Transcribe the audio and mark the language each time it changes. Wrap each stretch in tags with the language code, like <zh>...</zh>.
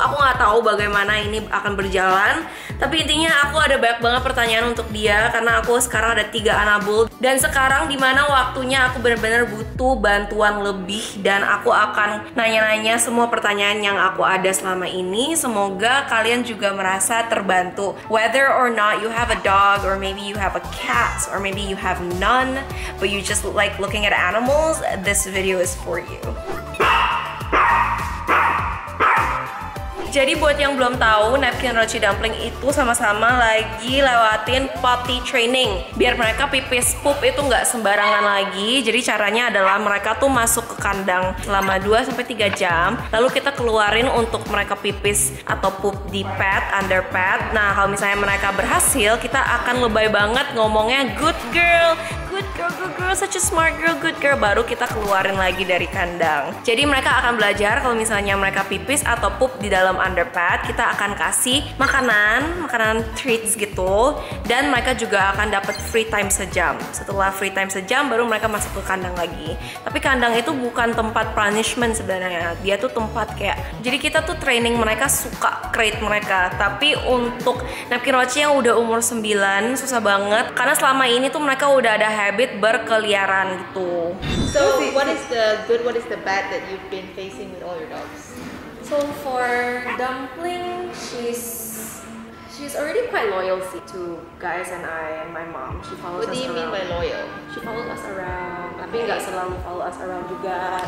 <id>Aku gak tahu bagaimana ini akan berjalan. Tapi intinya aku ada banyak banget pertanyaan untuk dia, karena aku sekarang ada 3 anabul. Dan sekarang dimana waktunya aku benar-benar butuh bantuan lebih. Dan aku akan nanya-nanya semua pertanyaan yang aku ada selama ini. Semoga kalian juga merasa terbantu.</id> <en>Whether or not you have a dog, or maybe you have a cat, or maybe you have none, but you just like looking at animals, this video is for you.</en> <id>Jadi buat yang belum tahu, Napkin Roci Dumpling itu sama-sama lagi lewatin potty training. Biar mereka pipis poop itu nggak sembarangan lagi. Jadi caranya adalah mereka tuh masuk ke kandang selama 2-3 jam. Lalu kita keluarin untuk mereka pipis atau poop di pad, under pad. Nah kalau misalnya mereka berhasil, kita akan lebay banget ngomongnya</id> <en>good girl. Good girl, such a smart girl, good girl.</en> <id>Baru kita keluarin lagi dari kandang. Jadi mereka akan belajar kalau misalnya mereka pipis atau poop di dalam underpad, kita akan kasih makanan treats gitu. Dan mereka juga akan dapat free time sejam. Setelah free time sejam, baru mereka masuk ke kandang lagi. Tapi kandang itu bukan tempat punishment sebenarnya. Dia tuh tempat kayak, jadi kita tuh training mereka suka crate mereka. Tapi untuk Napkin Roci yang udah umur 9, susah banget. Karena selama ini tuh mereka udah ada habit berkeliaran gitu.</id> <en>So what is the good, what is the bad that you've been facing with all your dogs? So for Dumpling, she's already quite loyal to guys and I and my mom. She follows us around. What do you mean by loyal? She follows us around.</en> <id>Tapi nggak selalu</id> <en>follow us around</en> <id>juga.</id>